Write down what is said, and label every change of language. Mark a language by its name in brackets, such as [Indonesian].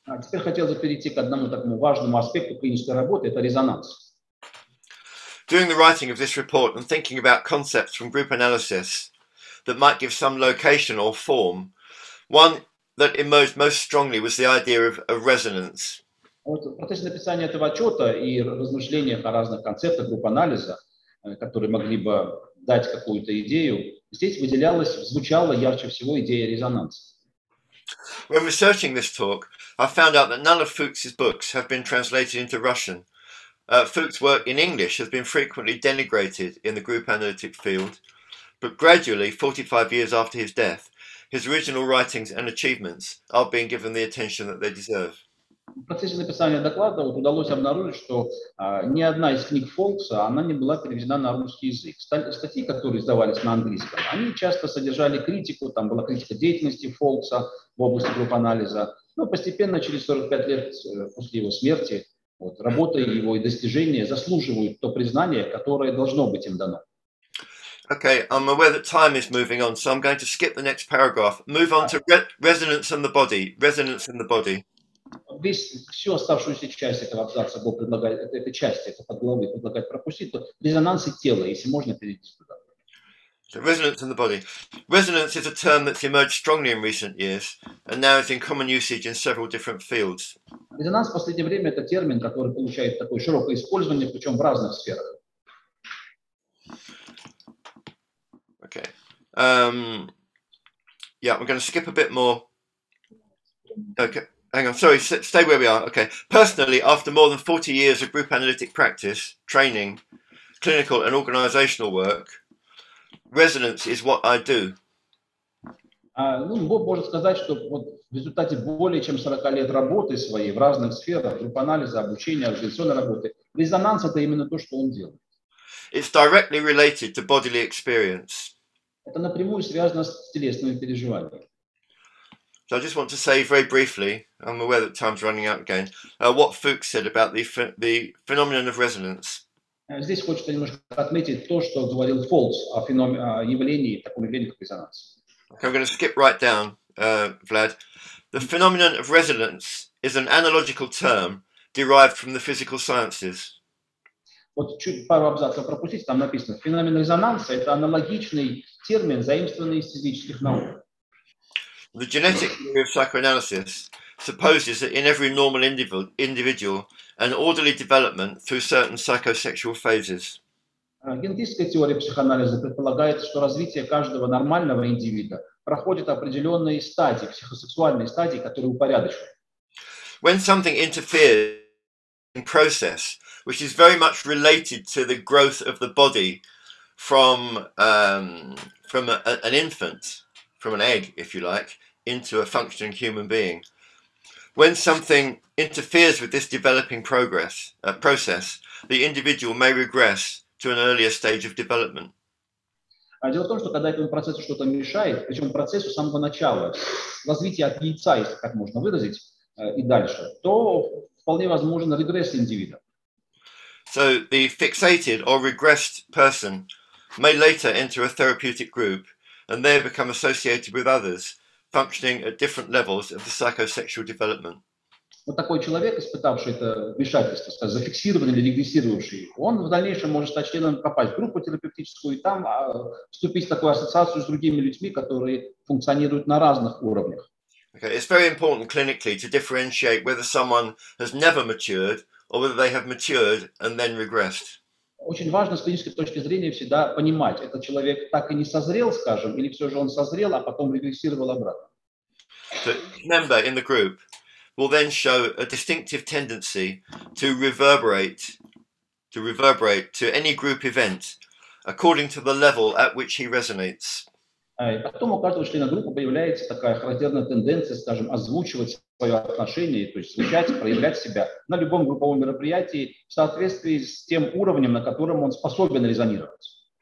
[Russian] Теперь хотел бы перейти к одному такому важному аспекту клинической работы, это резонанс. [English] During the writing of this report and thinking about concepts from group analysis that might give some location or form, one that emerged most strongly was the idea of resonance. [Russian] Вот в процессе написания этого отчета и размышлениях о разных концептах групп анализа, которые могли бы дать какую-то идею, здесь выделялась, звучала ярче всего идея резонанса. [English] When researching this talk, I found out that none of Fuchs's books have been translated into Russian. Fuchs's work in English has been frequently denigrated in the group analytic field, but gradually, 45 years after his death, his original writings and achievements are being given the attention that they deserve. [Russian] В процессе написания доклада вот удалось обнаружить, что ни одна из книг Фолкса она не была переведена на русский язык. Статьи, которые издавались на английском, они часто содержали критику, там была критика деятельности Фолкса в области групп-анализа. Но постепенно, через 45 лет после его смерти, вот, работа его и достижения заслуживают то признание, которое должно быть им дано. [English] Okay, I'm aware that time is moving on, so I'm going to skip the next paragraph. Move on to resonance and the body. Resonance and the body. [Russian] Всю оставшуюся часть этого абзаца Боб предлагает, этой части, этой подглавы предлагает пропустить, то резонансы тела, если можно, перейти сюда. [English] So resonance in the body. Resonance is a term that's emerged strongly in recent years and now is in common usage in several different fields. [Russian] Резонанс в последнее время это термин, который получает такое широкое использование, причем в разных сферах. [English] Okay. Yeah, we're going to skip a bit more. Okay. Hang on, sorry, stay where we are. Okay. Personally, after more than 40 years of group analytic practice, training, clinical and organizational work, resonance is what I do. [Russian] Боб может сказать, что вот в результате более чем 40 лет работы своей в разных сферах, групп анализа, обучения, организационной работы, резонанс – это именно то, что он делает. [English] It's directly related to bodily experience. [Russian] Это напрямую связано с телесными переживаниями. [English] So I just want to say very briefly, I'm aware that time's running out again, what Fuchs said about the phenomenon of resonance. [Russian] Здесь хочется немножко отметить то, что говорил Фолкс о явлении, таком явлении, как резонанс. [English] Okay, I'm going to skip right down, Vlad. The phenomenon of resonance is an analogical term derived from the physical sciences. [Russian] Вот чуть пару абзацев пропустить, там написано, феномен резонанса – это аналогичный термин, заимствованный из физических наук. [English] The genetic theory of psychoanalysis supposes that in every normal individual, an orderly development through certain psychosexual phases. [Russian] Генетическая теория психоанализа предполагает, что развитие каждого нормального индивида проходит определенные стадии, психосексуальные стадии, которые упорядочены. [English] When something interferes in process, which is very much related to the growth of the body from an infant, from an egg, if you like, into a functioning human being. When something interferes with this developing progress, process, the individual may regress to an earlier stage of development. [Russian] Дело в том, что когда этому процессу что-то мешает, причем процессу самого начала, развития от яйца, если так можно выразить, и дальше, то вполне возможен регресс индивида. [English] So the fixated or regressed person may later enter a therapeutic group and there become associated with others, functioning at different levels of the psychosexual development. [Russian] Вот такой человек, испытавший это вмешательство, зафиксированный или регрессирующий, он в дальнейшем может стать членом, попасть в группу терапевтическую и там вступить в такую ассоциацию с другими людьми, которые функционируют на разных уровнях. [English] Okay, it's very important clinically to differentiate whether someone has never matured or whether they have matured and then regressed. [Russian] Очень важно с клинической точки зрения всегда понимать, этот человек так и не созрел, скажем, или все же он созрел, а потом регрессировал обратно. [English] So, member in the group will then show a distinctive tendency to reverberate to any group event according to the level at which he resonates. [Russian] Потом у каждого члена группы появляется такая характерная тенденция, скажем, озвучивать свое отношение, то есть звучать, проявлять себя на любом групповом мероприятии в соответствии с тем уровнем, на котором он способен резонировать.